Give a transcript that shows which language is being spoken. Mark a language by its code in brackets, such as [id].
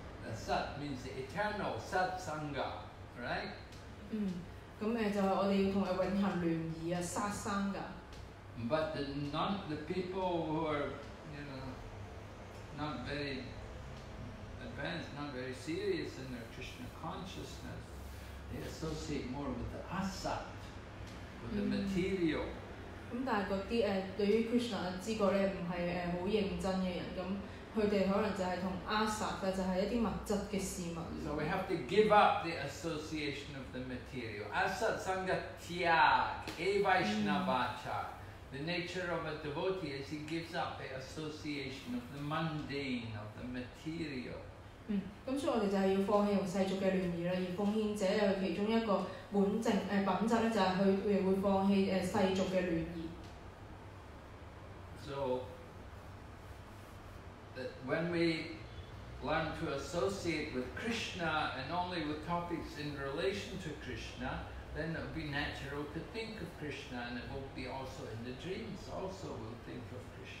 [en] The Sat means the eternal Sat Sangha, right? [yue] 咁就係我哋要同佢永恆聯誼啊，殺生噶。 [en] But the people who are, you know, not very advanced, not very serious in their Krishna consciousness, they associate more with the asat, with the material. [yue] 但係嗰啲對於 Krishna 知覺咧，唔係好認真嘅人，咁佢哋可能就係同 asat 嘅，就係一啲物質嘅事物。 [en] So we have to give up the association of the material. [sa] Asat sangha tyag, evaishnavacha. [en] The nature of a devotee is he gives up the association of the mundane, of the material. [yue] 咁所以我哋就係要放棄同世俗嘅聯誼啦。而奉獻者嘅其中一個本正品質咧，就係佢會放棄世俗嘅聯誼。 [en] So,that when we learn to associate with Krishna and only with topics in relation to Krishna, then it will be natural to think of Krishna, and it will be also in the dreams also we'll think of Krishna.